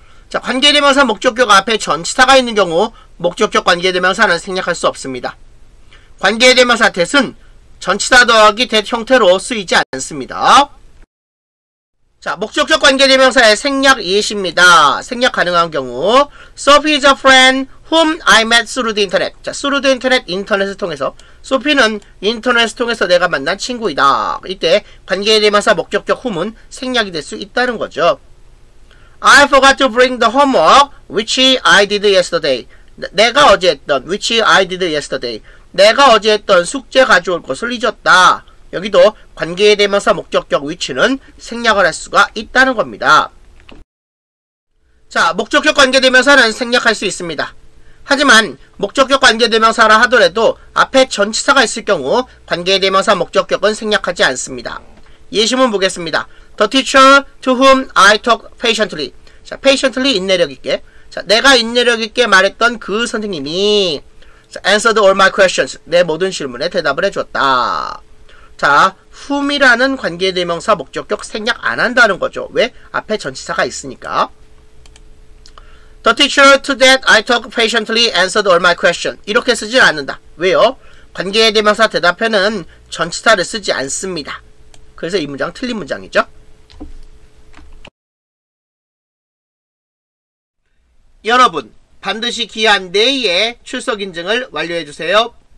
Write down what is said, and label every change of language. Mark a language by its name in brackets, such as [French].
[Korean] 자, 관계대명사 목적격 앞에 전치사가 있는 경우 목적격 관계대명사는 생략할 수 없습니다. 관계대명사 that은 전치사 더하기 that 형태로 쓰이지 않습니다. 자, 목적격 관계대명사의 생략 예시입니다. 생략 가능한 경우 [English] Sophie is a friend whom I met through the internet. [Korean] 자, [English] through the internet, [Korean] 인터넷을 통해서 소피는 인터넷을 통해서 내가 만난 친구이다. 이때 관계대명사 목적격 whom은 생략이 될 수 있다는 거죠. [English] I forgot to bring the homework which I did yesterday. [Korean] 내가 어제 했던 [English] which I did yesterday. [Korean] 내가 어제 했던 숙제 가져올 것을 잊었다. 여기도 관계대명사 목적격 which는 생략을 할 수가 있다는 겁니다. 자, 목적격 관계대명사는 생략할 수 있습니다. 하지만 목적격 관계대명사라 하더라도 앞에 전치사가 있을 경우 관계대명사 목적격은 생략하지 않습니다. 예시문 보겠습니다. [English] The teacher to whom I talk patiently. [Korean] 자, patiently 인내력 있게. 자, 내가 인내력 있게 말했던 그 선생님이 [English] answered all my questions. [Korean] 내 모든 질문에 대답을 해줬다. 자, whom이라는 관계대명사 목적격 생략 안 한다는 거죠. 왜? 앞에 전치사가 있으니까. [English] The teacher to that I talk patiently answered all my questions. [Korean] 이렇게 쓰진 않는다. 왜요? 관계대명사 대답에는 전치사를 쓰지 않습니다. 그래서 이 문장 틀린 문장이죠. 여러분, 반드시 기한 내에 출석 인증을 완료해주세요.